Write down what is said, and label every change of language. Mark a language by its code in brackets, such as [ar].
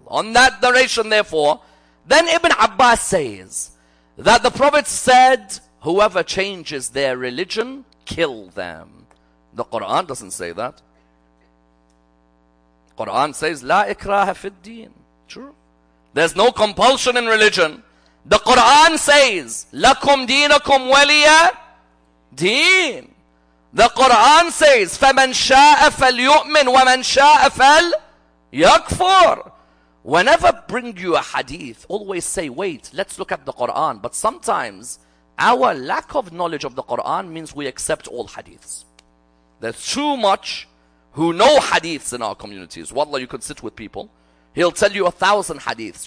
[en] On that narration, therefore, then Ibn Abbas says that the Prophet said, whoever changes their religion, kill them. The Quran doesn't say that. Quran says, [ar] لا إكراه في الدين. [en] True. There's no compulsion in religion. The Quran says, [ar] لَكُمْ دِينَكُمْ وَلِيَ دِينَ. [en] The Quran says, [ar] فَمَنْ شَاءَ فَلْيُؤْمِنْ وَمَنْ شَاءَ فَلْيَكْفُرْ. [en] Whenever bring you a hadith, always say, wait, let's look at the Quran. But sometimes, our lack of knowledge of the Quran means we accept all hadiths. There's too much who know hadiths in our communities. Wallah, you could sit with people. He'll tell you 1,000 hadiths.